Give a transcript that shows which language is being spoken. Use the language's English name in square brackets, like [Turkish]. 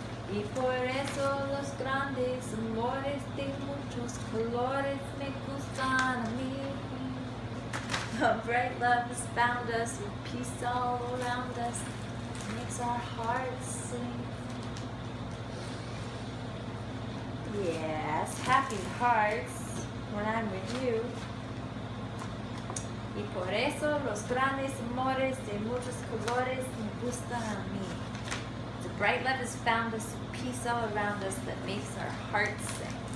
[Spanish] Y por eso los grandes amores de muchos colores me gustan a mí. [English] A bright love has found us with peace all around us. It makes our hearts sing. Yes, happy hearts when I'm with you. [Spanish] Y por eso los grandes amores de muchos colores me gustan a mí. [English] The bright love has found us with peace all around us that makes our hearts sing.